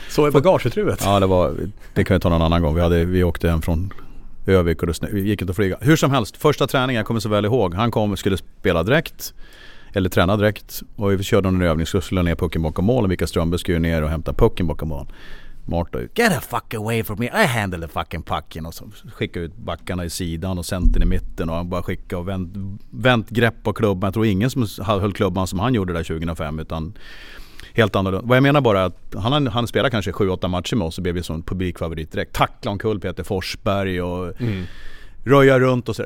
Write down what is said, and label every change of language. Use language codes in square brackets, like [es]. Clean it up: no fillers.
[sv] sova i bagageutrymmet? Ja, det kan vi ta någon annan gång. Vi åkte hem från Övik och vi gick inte att flyga. Hur som helst, första träningen, jag kommer så väl ihåg. Han kom skulle spela direkt. Eller träna direkt. Och vi körde en övning så skulle ner pucken bakom mål. Och Mika Strömberg skulle ner och hämta pucken bakom mål. [en] Marta, get the fuck away from me. I handle the fucking pucken. [sv] Och så skickade ut backarna i sidan och centern i mitten. Och han bara skickade och vänt grepp på klubban. Jag tror ingen som höll klubban som han gjorde där 2005. Utan helt annorlunda. Vad jag menar bara att han spelade kanske 7-8 matcher med oss. Och blev vi som publikfavorit direkt. Tackla omkull Peter Forsberg och... Röja runt och så.